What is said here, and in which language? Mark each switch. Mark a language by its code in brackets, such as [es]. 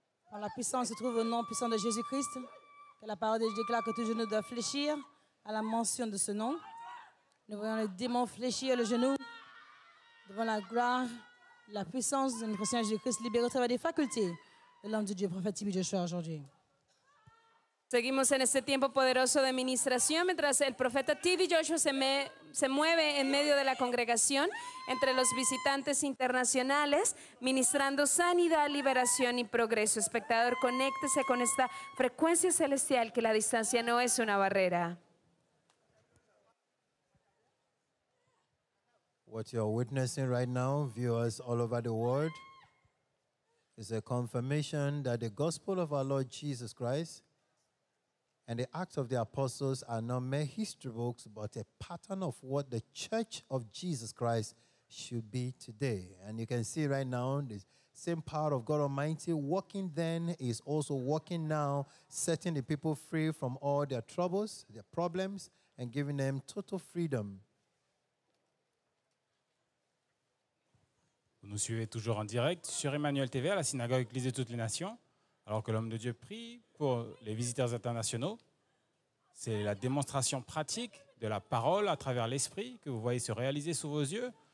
[fr] Par la puissance se trouve au nom puissant de Jésus-Christ, que la parole de Dieu déclare que tout genou doit fléchir à la mention de ce nom. Nous voyons les démons fléchir le genou devant la gloire, la puissance de notre Seigneur Jésus-Christ libéré au travers des facultés de l'homme de Dieu, prophète Tibi Joshua, aujourd'hui. [es] Seguimos en este tiempo poderoso de administración mientras el profeta TV Joshua se mueve en medio de la congregación entre los visitantes internacionales ministrando sanidad, liberación y progreso. Espectador, conéctese con esta frecuencia celestial que la distancia no es una barrera. [en] What you're witnessing right now, viewers all over the world, is a confirmation that the gospel of our Lord Jesus Christ and the Acts of the Apostles are not mere history books, but a pattern of what the Church of Jesus Christ should be today. And you can see right now, the same power of God Almighty walking then is also walking now, setting the people free from all their troubles, their problems, and giving them total freedom. [fr] Vous nous suivez toujours en direct sur Emmanuel TV, à la synagogue Église de toutes les nations. Alors que l'homme de Dieu prie pour les visiteurs internationaux, c'est la démonstration pratique de la parole à travers l'esprit que vous voyez se réaliser sous vos yeux.